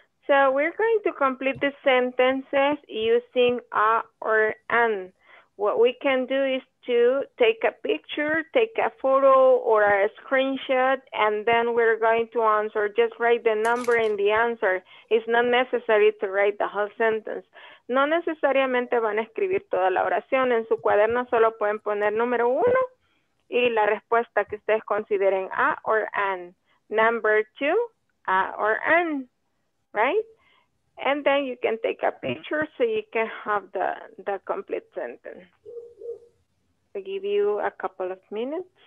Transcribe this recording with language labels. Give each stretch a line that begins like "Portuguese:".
English: So, we're going to complete the sentences using A or an. What we can do is to take a picture, take a photo or a screenshot, and then we're going to answer. Just write the number in the answer. It's not necessary to write the whole sentence.
Spanish: No necesariamente van a escribir toda la oración. En su cuaderno solo pueden poner número uno y la respuesta que ustedes consideren A or an.
English: Number two, A or an, right? And then you can take a picture so you can have the complete sentence. I give you a couple of minutes.